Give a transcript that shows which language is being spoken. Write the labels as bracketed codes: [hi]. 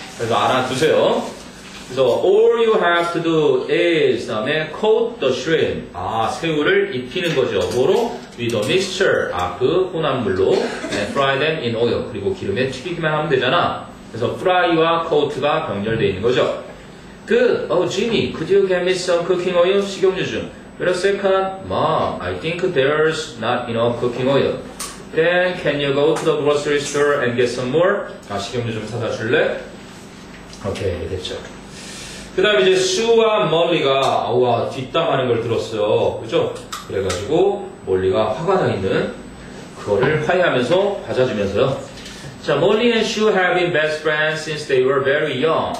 [ko] 그래서 알아두세요. 그래서 [en] all you have to do is [ko] 다음에 [en] coat the shrimp. [ko] 아, 새우를 입히는 거죠. 뭐로? [en] with a mixture. [ko] 아, 그 혼합물로 [en] and fry them in oil. [ko] 그리고 기름에 튀기기만 하면 되잖아. 그래서 fry와 coat가 병렬되어 있는 거죠. Good. [en] Oh, Jimmy, could you get me some cooking oil? [ko] 식용유 좀. [en] Wait a second. Mom, I think there's not enough cooking oil. Then, can you go to the grocery store and get some more? [ko] 아, 식용유 좀 사다 줄래? 오케이, 됐죠. 그 다음에 이제 수와 멀리가, 우와, 뒷담하는 걸 들었어요. 그죠? 그래가지고, 멀리가 화가 나 있는 그거를 화해하면서 받아주면서요. [en] 자, Molly and Sue have been best friends since they were very young.